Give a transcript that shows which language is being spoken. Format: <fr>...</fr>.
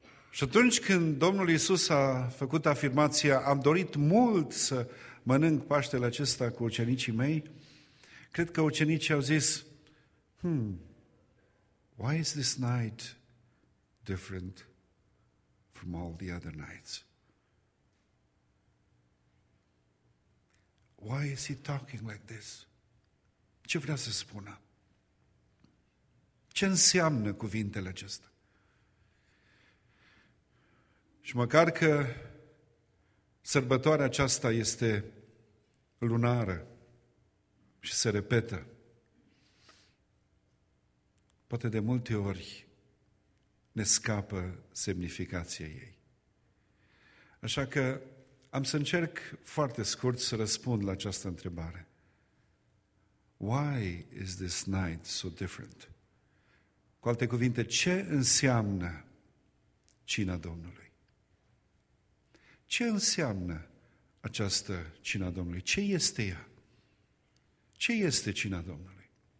<ro>Și atunci când Domnul Iisus a făcut afirmația, am dorit mult să mănânc paștele acesta cu ucenicii mei, cred că ucenicii au zis,</ro> <en>why is this night different from all the other nights? Why is he talking like this?</en> <ro>Ce vrea să spună? Ce înseamnă cuvintele acestea? Și măcar că sărbătoarea aceasta este lunară și se repetă, poate de multe ori ne scapă semnificația ei. Așa că am să încerc foarte scurt să răspund la această întrebare.</ro> <en>Why is this night so different?</en> <ro>Cu alte cuvinte, ce înseamnă cina Domnului? Ce înseamnă această cina Domnului? Ce este ea? Ce este cina Domnului?</ro>